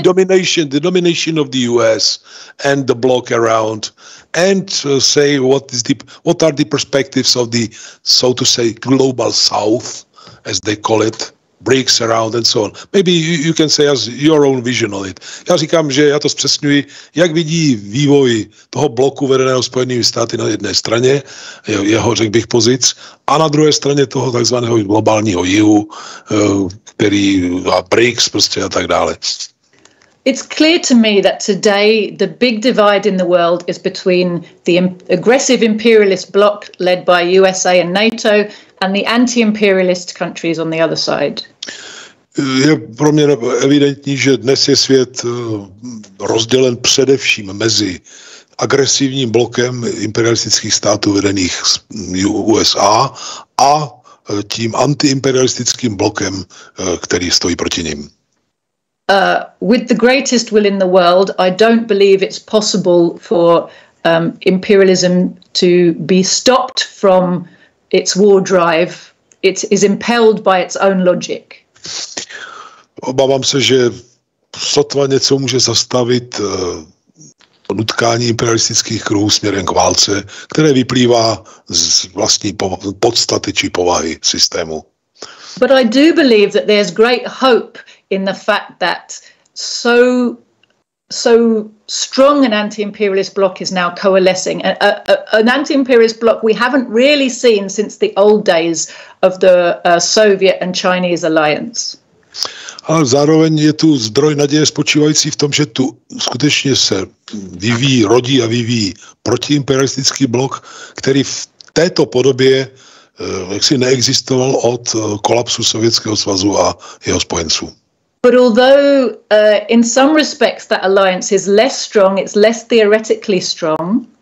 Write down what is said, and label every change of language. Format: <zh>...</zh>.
<en>the domination of the US and the bloc around, and say what are the perspectives of the, so to say, global south, as they call it, BRICS around and so on. Maybe you can say as your own vision on it.</en> <cs>Já říkám, že já to zpřesňuji, jak vidí vývoj toho bloku vedeného Spojenými státy na jedné straně, jeho, řekl bych, pozic, a na druhé straně toho takzvaného globálního jihu, který a BRICS prostě a tak dále.</cs> <en>It's clear to me that today the big divide in the world is between the aggressive imperialist bloc led by USA and NATO and the anti-imperialist countries on the other side.</en> <cs>Je pro mě evidentní, že dnes je svět rozdělen především mezi agresivním blokem imperialistických států vedených USA a tím anti-imperialistickým blokem, který stojí proti ním.</cs> <en>With the greatest will in the world, I don't believe it's possible for imperialism to be stopped from its war drive. It is impelled by its own logic.</en> <cs>Obávám se, že sotva něco může zastavit nutkání imperialistických kruhů směrem k válce, které vyplývá z vlastní podstaty či povahy systému.</cs> <en>But I do believe that there's great hope in the fact that so strong an anti-imperialist bloc is now coalescing. An anti-imperialist bloc we haven't really seen since the old days of the Soviet and Chinese alliance.</en> <cs>Ale zároveň je tu zdroj naděje spočívající v tom, že tu skutečně se rodí a vyvíjí protiimperialistický blok, který v této podobě jaksi neexistoval od kolapsu Sovětského svazu a jeho spojenců.</cs> <en>But although in some respects that alliance is less strong, it's less theoretically strong.</en>